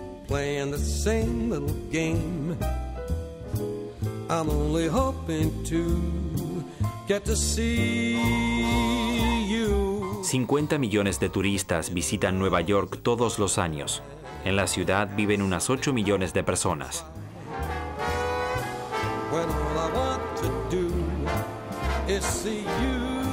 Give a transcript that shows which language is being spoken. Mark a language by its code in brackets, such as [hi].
[en] Playing the same little game. I'm only hoping to get to see you. [es] 50 millones de turistas visitan Nueva York todos los años. En la ciudad viven unas 8 millones de personas. [en] When all I want to do is see you.